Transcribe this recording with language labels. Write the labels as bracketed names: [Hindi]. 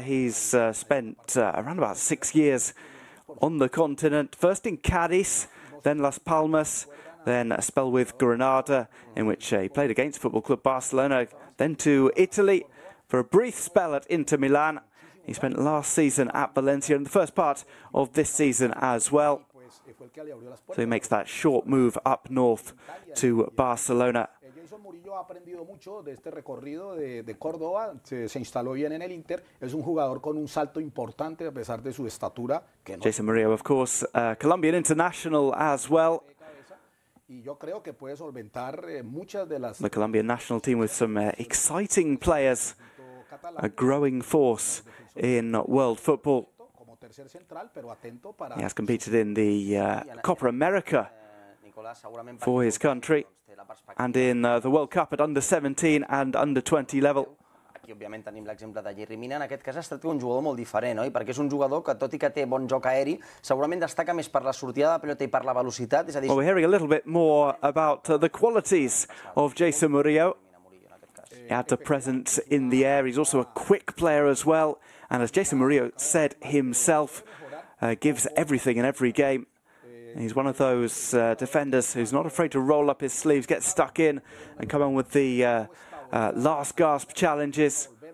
[English] He's spent around about 6 years on the continent, first in Cádiz, then Las Palmas, then a spell with Granada, in which he played against Football Club Barcelona, then to Italy for a brief spell at Inter Milan. He spent last season at Valencia and the first part of this season as well. So he makes that short move up north to Barcelona. [Spanish] Jason Murillo ha aprendido mucho de este recorrido de Córdoba, se instaló bien en el Inter, es un jugador con un salto importante a pesar de su estatura. Que no. [English] Jason Murillo, of course, Colombian international as well. [Spanish] Y yo creo que puede solventar muchas de las. [English] The Colombian national team with some exciting players, a growing force in world football. [Spanish] Como tercer central, pero atento para. [English] He has competed in the Copa America for his country, and in the World Cup at under 17 and under 20 level. [Catalan] Aquí obviamente tenim l'exemple de Yerry Mina. En aquest cas ha estat un jugador molt diferent, oi? Perquè és un jugador que, tot i que té bon joc aeri, segurament destaca més per la sortida de la pelota i per la velocitat. [English] Well, we're hearing a little bit more about the qualities of Jason Murillo. He had to present in the air. He's also a quick player as well. And as Jason Murillo said himself, gives everything in every game. He's one of those defenders who's not afraid to roll up his sleeves, get stuck in and come on with the last gasp challenges.